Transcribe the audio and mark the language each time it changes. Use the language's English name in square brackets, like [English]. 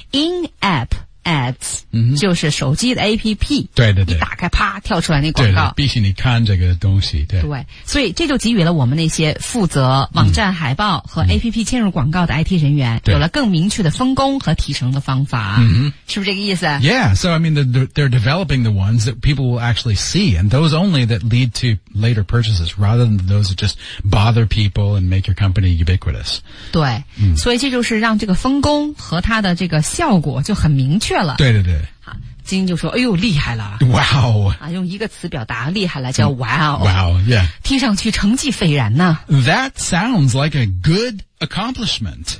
[English] In-app ads、 [Chinese] 嗯、就是手机的 APP 对对对一打开啪跳出来那广告对对必须你看这个东西 对, 对所以这就给予了我们那些负责网站海报和 APP 嵌入广告的 IT 人员、嗯、有了更明确的分工和提成的方法、嗯、是不是这个意思 [English] Yeah, so I mean they're developing the ones that people will actually see and those only that lead to later purchases rather than those that just bother people and make your company ubiquitous [Chinese] 对、嗯、所以这就是让这个分工和它的这个效果就很明确了对对对金晶就说哎呦厉害了 [English] Wow、 [Chinese] 啊、用一个词表达厉害了叫 Wow [English] Wow yeah [Chinese] 听上去成绩斐然呢 [English] That sounds like a good accomplishment